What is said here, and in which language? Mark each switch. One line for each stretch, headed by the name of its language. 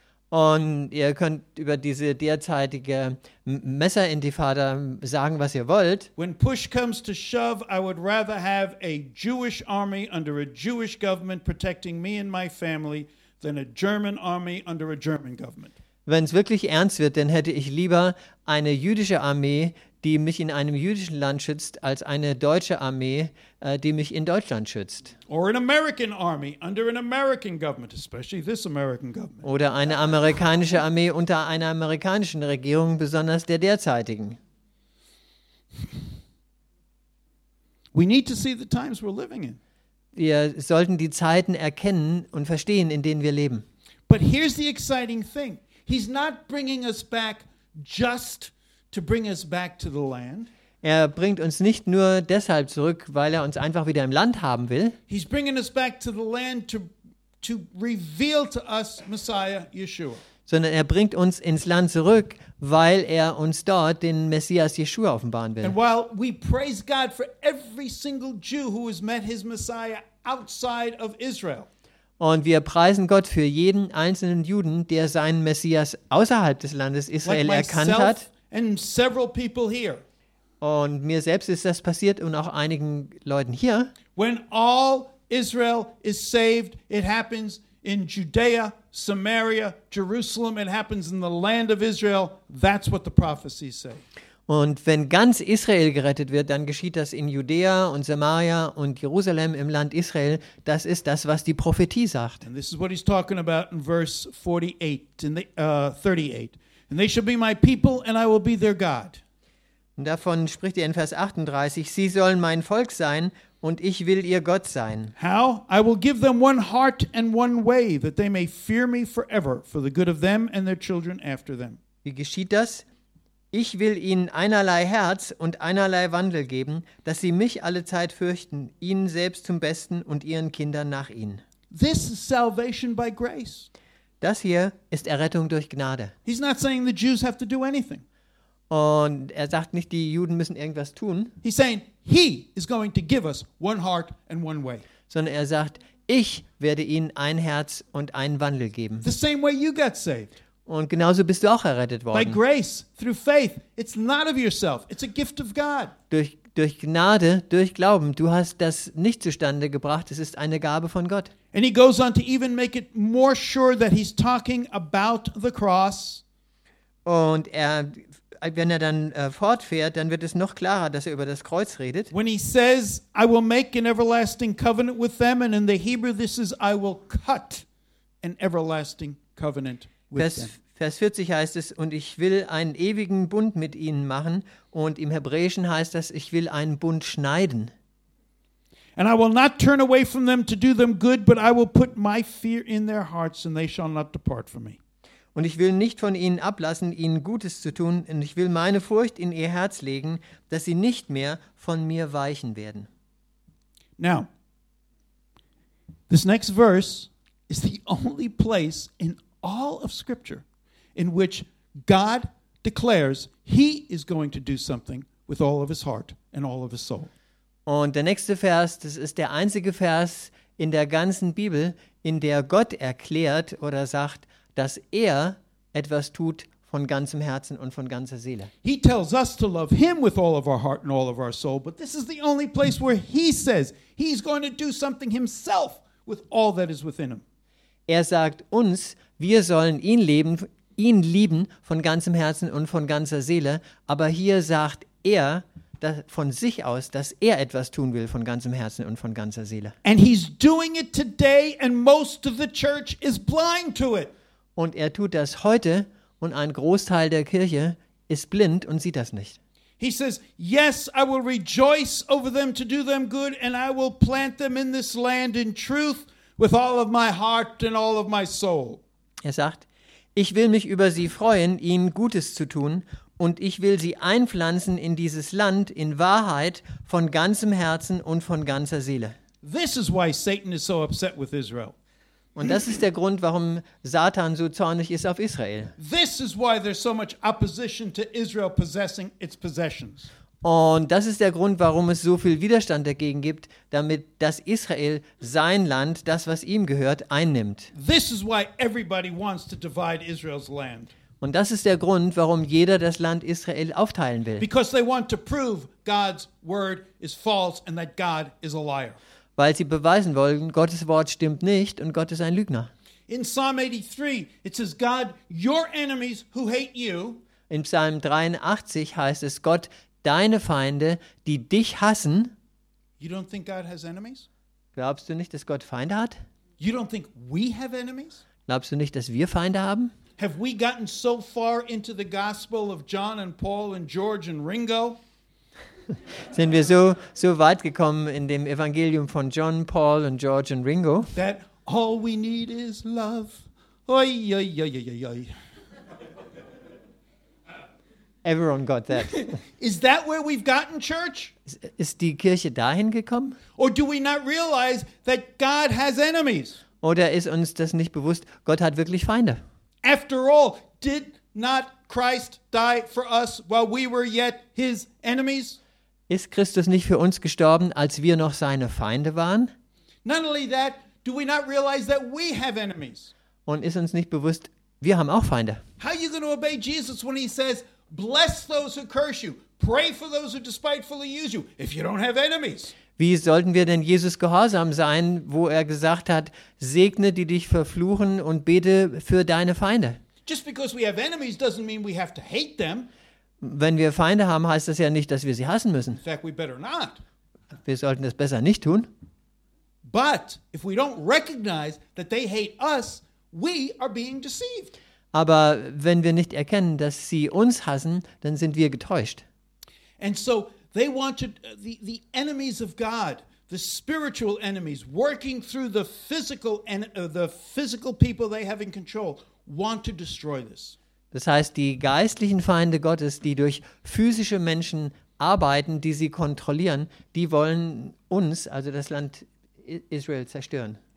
German: Und ihr könnt über diese derzeitige Messerintifada sagen, was ihr wollt.
English: When push comes to shove, I would rather have a Jewish army under a Jewish government protecting me and my family than a German army under a German government.
German: Wenn es wirklich ernst wird, dann hätte ich lieber eine jüdische Armee, die mich in einem jüdischen Land schützt, als eine deutsche Armee, die mich in Deutschland schützt.
English: Or an American army under an American government, especially this American government.
German: Oder eine amerikanische Armee unter einer amerikanischen Regierung, besonders der derzeitigen.
English: We need to see the times we're living in.
German: Wir sollten die Zeiten erkennen und verstehen, in denen wir leben.
English: But here's the exciting thing. He's not bringing us back just to bring us back to the land.
German: Er bringt uns nicht nur deshalb zurück, weil er uns einfach wieder im Land haben will.
English: He's bringing us back to the land to reveal to us Messiah Yeshua.
German: Sondern er bringt uns ins Land zurück, weil er uns dort den Messias Yeshua offenbaren will.
English: And while we praise God for every single Jew who has met his Messiah outside of Israel.
German: Und wir preisen Gott für jeden einzelnen Juden, der seinen Messias außerhalb des Landes Israel
English: like
German: erkannt hat.
English: And several people here.
German: Und mir selbst ist das passiert und auch einigen Leuten hier.
English: When all Israel is saved, it happens in Judea, Samaria, Jerusalem, it happens in the land of Israel. That's what the prophecies say.
German: Und wenn ganz Israel gerettet wird, dann geschieht das in Judäa und Samaria und Jerusalem im Land Israel. Das ist das, was die Prophetie sagt.
English: And this is what he's talking about in verse 48, in the 38. And they shall be my people, and I will be their God.
German: Und davon spricht er in Vers 38. Sie sollen mein Volk sein, und ich will ihr Gott sein.
English: How? I will give them one heart and one way, that they may fear me forever, for the good of them and their children after them.
German: Wie geschieht das? Ich will ihnen einerlei Herz und einerlei Wandel geben, dass sie mich alle Zeit fürchten, ihnen selbst zum Besten und ihren Kindern nach ihnen.
English: This is salvation by grace.
German: Das hier ist Errettung durch Gnade.
English: He's not saying the Jews have to do anything.
German: Und er sagt nicht, die Juden müssen irgendwas tun.
English: He's saying he is going to give us one heart and one way.
German: Sondern er sagt, ich werde ihnen ein Herz und einen Wandel geben.
English: The same way you got saved.
German: Und genauso bist du auch errettet worden.
English: By grace, through faith, it's not of yourself. It's a gift of God.
German: Durch Gnade, durch Glauben, du hast das nicht zustande gebracht. Es ist eine Gabe von Gott.
English: And he goes on to even make it more sure that he's talking about the cross.
German: Und er, wenn er dann fortfährt, dann wird es noch klarer, dass er über das Kreuz redet.
English: When he says, I will make an everlasting covenant with them, and in the Hebrew this is, I will cut an everlasting covenant with them.
German: Vers 40 heißt es, und ich will einen ewigen Bund mit ihnen machen. Und im Hebräischen heißt das, ich will einen Bund schneiden.
English: And I will not turn away from them to do them good, but I will put my fear in their hearts, and they shall not depart from me.
German: Und ich will nicht von ihnen ablassen, ihnen Gutes zu tun, und ich will meine Furcht in ihr Herz legen, dass sie nicht mehr von mir weichen werden.
English: Now, this next verse is the only place in all of Scripture in which God declares he is going to do something with all of his heart and all of his soul.
German: Und der nächste Vers, das ist der einzige Vers in der ganzen Bibel, in der Gott erklärt oder sagt, dass er etwas tut von ganzem Herzen und von ganzer Seele.
English: He tells us to love him with all of our heart and all of our soul, but this is the only place where he says he's going to do something himself with all that is within him.
German: Er sagt uns, wir sollen ihn lieben von ganzem Herzen und von ganzer Seele, aber hier sagt er dass von sich aus, dass er etwas tun will von ganzem Herzen und von ganzer Seele.
English: And he's doing it today and most of the church is blind to it.
German: Und er tut das heute und ein Großteil der Kirche ist blind und sieht das nicht.
English: He says, yes, I will rejoice over them to do them good and I will plant them in this land in truth with all of my heart and all of my soul.
German: Er sagt, ich will mich über sie freuen, ihnen Gutes zu tun und ich will sie einpflanzen in dieses Land in Wahrheit von ganzem Herzen und von ganzer Seele.
English: This is why Satan is so upset with Israel.
German: Und das ist der Grund, warum Satan so zornig ist auf Israel.
English: This is why there's so much opposition to Israel possessing its possessions.
German: Und das ist der Grund, warum es so viel Widerstand dagegen gibt, damit das Israel sein Land, das was ihm gehört, einnimmt.
English: This is why everybody wants to divide Israel's land.
German: Und das ist der Grund, warum jeder das Land Israel aufteilen will.
English: Because they want to prove God's word is false and that God is a liar.
German: Weil sie beweisen wollen, Gottes Wort stimmt nicht und Gott ist ein Lügner.
English: In Psalm 83 it says, God, your enemies who hate you.
German: In Psalm 83 heißt es, Gott, deine Feinde, die dich hassen.
English: You don't think God has enemies?
German: Glaubst du nicht, dass Gott Feinde hat?
English: You don't think we have enemies?
German: Glaubst du nicht, dass wir Feinde haben?
English: Have we gotten so far into the gospel of John and Paul and George and Ringo?
German: Sind wir so weit gekommen in dem Evangelium von John, Paul und George und Ringo?
English: That all we need is love. Oi, oi, oi, oi, oi. Everyone got that. Is that where we've gotten, church?
German: Ist die Kirche dahin gekommen?
English: Or do we not realize that God has enemies?
German: Oder ist uns das nicht bewusst, Gott hat wirklich Feinde?
English: After all, did not Christ die for us while we were yet his enemies?
German: Ist Christus nicht für uns gestorben, als wir noch seine Feinde waren?
English: Not only that, do we not realize that we have enemies?
German: Und ist uns nicht bewusst, wir haben auch Feinde?
English: How are you going to obey Jesus when he says, bless those who curse you, pray for those who despitefully use you, if you don't have enemies?
German: Wie sollten wir denn Jesus gehorsam sein, wo er gesagt hat, segne die dich verfluchen und bete für deine Feinde?
English: Just because we have enemies doesn't mean we have to hate them.
German: Wenn wir Feinde haben, heißt das ja nicht, dass wir sie hassen müssen.
English: In fact, we better not.
German: Wir sollten das besser nicht tun.
English: But if we don't recognize that they hate us, we are being deceived.
German: Aber wenn wir nicht erkennen, dass sie uns hassen, dann sind wir getäuscht.
English: And so they wanted the enemies of God, the spiritual enemies working through the physical people they have in control, want to destroy this.
German: Das heißt, die geistlichen Feinde Gottes, die durch physische Menschen arbeiten, die sie kontrollieren, die wollen uns, also das Land Israel, zerstören.